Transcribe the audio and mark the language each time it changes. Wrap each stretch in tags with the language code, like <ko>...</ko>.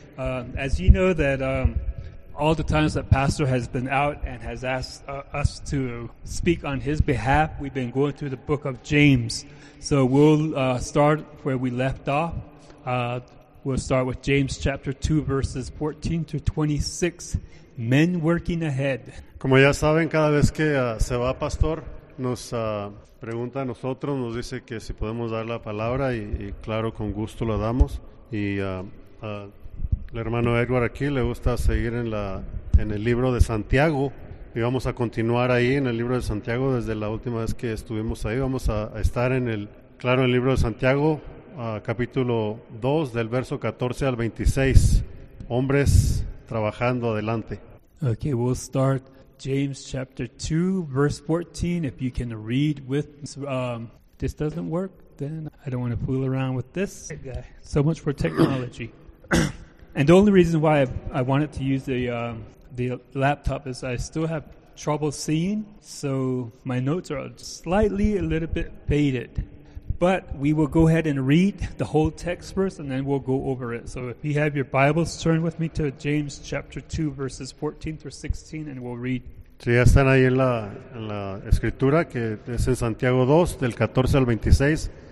<en>As you know, that all the times that Pastor has been out and has asked us to speak on his behalf, we've been going through the book of James. So we'll start where we left off. We'll start with James chapter 2, verses 14 to 26. Men working ahead.</en> <es>Como ya saben, cada vez que se va Pastor, nos pregunta a nosotros, nos dice que si podemos dar la palabra, y claro, con gusto la damos. Y el hermano Edward aquí le gusta seguir en el libro de Santiago, y vamos a continuar ahí en el libro de Santiago desde la última vez que estuvimos ahí. Vamos a estar en el libro de Santiago, capítulo 2, del verso 14 al 26. Hombres trabajando adelante.</es> <en>Okay, we'll start James chapter 2, verse 14. If you can read with, this doesn't work, then I don't want to fool around with this guy. So much for technology. And the only reason why I wanted to use the laptop is I still have trouble seeing, so my notes are slightly a little bit faded. But we will go ahead and read the whole text first, and then we'll go over it. So if you have your Bibles, turn with me to James chapter 2, verses 14 through 16, and we'll read.</en> <es>Sí, ya están ahí en la escritura, que es en Santiago 2, del 14 al 26.</es>